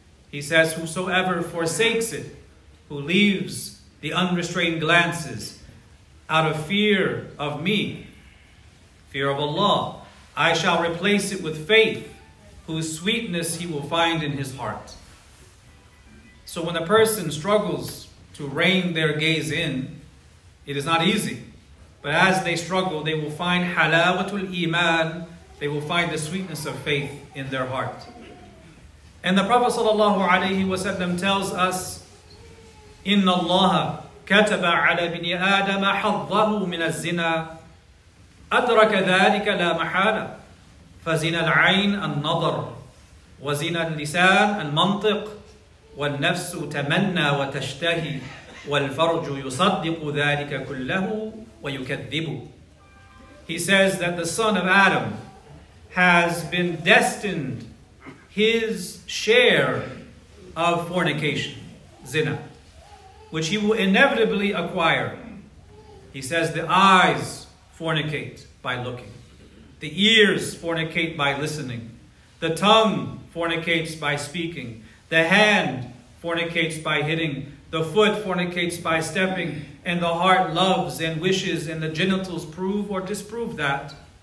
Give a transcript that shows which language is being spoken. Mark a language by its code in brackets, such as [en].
[en] He says, whosoever forsakes it, who leaves the unrestrained glances out of fear of me, fear of Allah, I shall replace it with faith, whose sweetness he will find in his heart. So when a person struggles to rein their gaze in, it is not easy. But as they struggle, they will find halawatul iman, they will find the sweetness of faith in their heart. And the Prophet sallallahu alaihi wasallam tells us, [ar] إِنَّ اللَّهَ كَتَبَ عَلَى بِنِ آدَمَ حَظَّهُ مِنَ الزِّنَا أَدْرَكَ ذَلِكَ لَا مَحَالَ فَزِنَ الْعَيْنَ النَّظَرُ وَزِنَ اللِّسَانَ الْمَنْطِقُ وَالنَّفْسُ تَمَنَّى وَتَشْتَهِي وَالْفَرْجُ يُصَدِّقُ ذَلِكَ كُلَّهُ وَيُكَذِّبُ. [en] He says that the son of Adam has been destined his share of fornication, zina, which he will inevitably acquire. He says the eyes fornicate by looking, the ears fornicate by listening, the tongue fornicates by speaking, the hand fornicates by hitting, the foot fornicates by stepping, and the heart loves and wishes, and the genitals prove or disprove that.